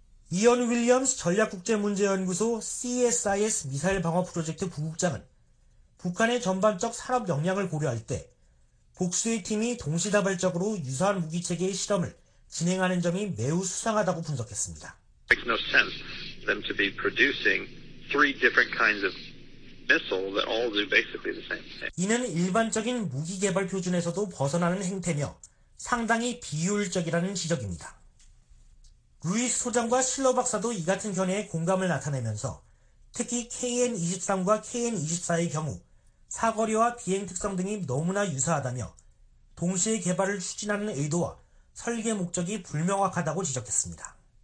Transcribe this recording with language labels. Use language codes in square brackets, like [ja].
[ko] 이언 윌리엄스 전략국제문제연구소 CSIS 미사일 방어 프로젝트 부국장은 북한의 전반적 산업 역량을 고려할 때 복수의 팀이 동시다발적으로 유사한 무기체계의 실험을 진행하는 점이 매우 수상하다고 분석했습니다. [en] Makes no sense them to be producing three different kinds of missile that all do basically the same thing. [ko] 이는 일반적인 무기 개발 표준에서도 벗어나는 행태며 상당히 비효율적이라는 지적입니다. 루이스 소장과 실러 박사도 이 같은 견해에 공감을 나타내면서 특히 KN-23과 KN-24의 경우 사거리와 비행 특성 등이 너무나 유사하다며 동시에 개발을 추진하는 의도와 설계 목적이 불명확하다고 지적했습니다.